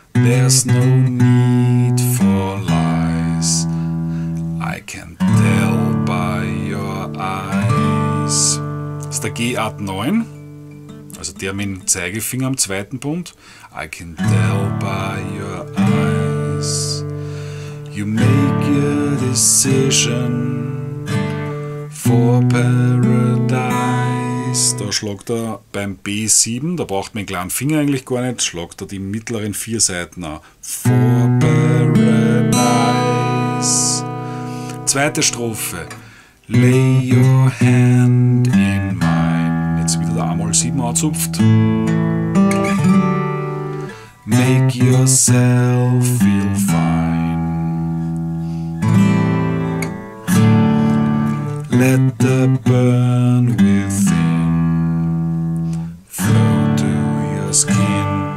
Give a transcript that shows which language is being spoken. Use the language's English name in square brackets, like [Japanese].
[English] There's no need for lies. I can tell by your eyes. [German] Das ist der G-Art 9. Also der mit dem Zeigefinger am zweiten Bund. [English] I can tell by your eyes. You make your decision for paradise. [German] Da schlagt er beim B7, da braucht man den kleinen Finger eigentlich gar nicht, schlagt er die mittleren vier Saiten an. [English] For paradise. [German] Zweite Strophe. [English] Lay your hand in mine. [German] Jetzt wieder der A-Moll 7 anzupft. [English] Make yourself feel fine. Let the burn within flow to your skin.